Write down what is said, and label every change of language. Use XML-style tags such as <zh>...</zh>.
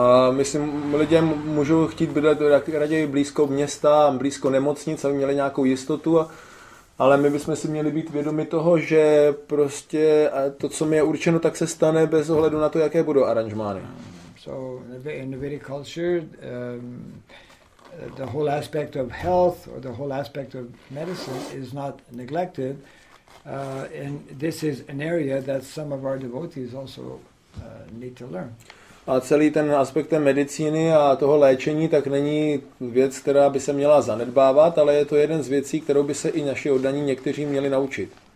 <cs>Myslím, lidé můžou chtít bydlet raději blízko města, blízko nemocnic, aby měli nějakou jistotu, ale my bychom si měli být vědomi toho, že prostě to, co mi je určeno, tak se stane bez ohledu na to, jaké budou aranžmány.</cs> <en>So in the Vedic culture, the whole aspect of health or the whole aspect of medicine is not neglected. And this is an area that some of our devotees also need to learn.</en> <cs>A celý ten aspekt medicíny a toho léčení tak není věc, která by se měla zanedbávat, ale je to jeden z věcí, kterou by se i naši oddaní někteří měli naučit.</cs>